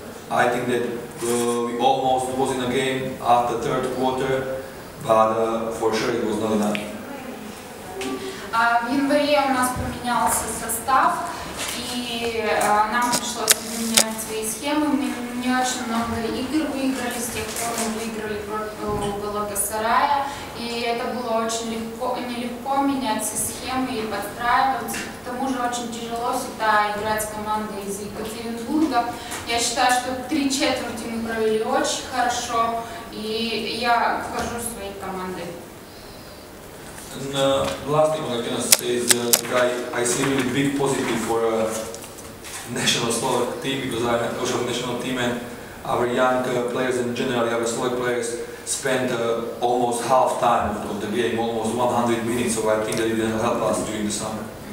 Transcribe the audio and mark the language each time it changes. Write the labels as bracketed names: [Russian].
[English] I think that we almost was in a game after third quarter, but for sure it was not enough. [Russian] В январе у нас поменялся состав, и нам пришлось поменять свои схемы. Мы не очень много игр выиграли, с тех пор мы выиграли против Галатасарая, и это было очень легко, нелегко менять все схемы и подстраиваться. К тому же очень тяжело всегда играть с командой из Екатеринбурга. Я считаю, что три четверти мы провели очень хорошо, и я вхожу в свои команды. [English] And last thing I can say is that I see really big positive for a national Slovak team, because I'm a coach of a national team, and our young players and generally our Slovak players spent almost half time of the game, almost 100 minutes, so I think that it will help us during the summer.